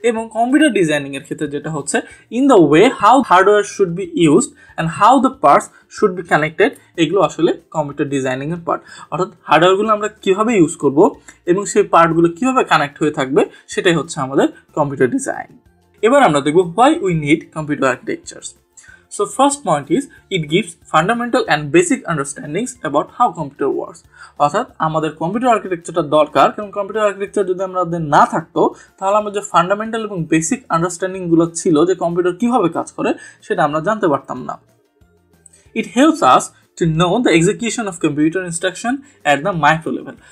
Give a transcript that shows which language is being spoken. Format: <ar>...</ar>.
<bn>এবং কম্পিউটার ডিজাইনিংয়ের ক্ষেত্রে যেটা হচ্ছে</bn> <en>in the way how hardware should be used and how the parts should be connected,</en> <bn>এগুলো আসলে কম্পিউটার ডিজাইনিংয়ের পার্ট। অর্থাৎ হার্ডওয়্যারগুলো আমরা কীভাবে ইউজ করব এবং সেই পার্টগুলো কীভাবে কানেক্ট হয়ে থাকবে সেটাই হচ্ছে আমাদের কম্পিউটার ডিজাইন। এবার আমরা দেখব</bn> <en>Why we need computer architecture. So first point is it gives fundamental and basic understandings about how computer works.</en> <bn>অর্থাৎ আমাদের কম্পিউটার আর্কিটেকচারটা দরকার, কারণ কম্পিউটার আর্কিটেকচার যদি আমাদের না থাকতো তাহলে আমরা যে ফান্ডামেন্টাল এবং বেসিক আন্ডারস্ট্যান্ডিংগুলো ছিল যে কম্পিউটার কীভাবে কাজ করে সেটা আমরা জানতে পারতাম না।</bn> <en>It helps us to know the execution of computer instruction at the micro level.</en>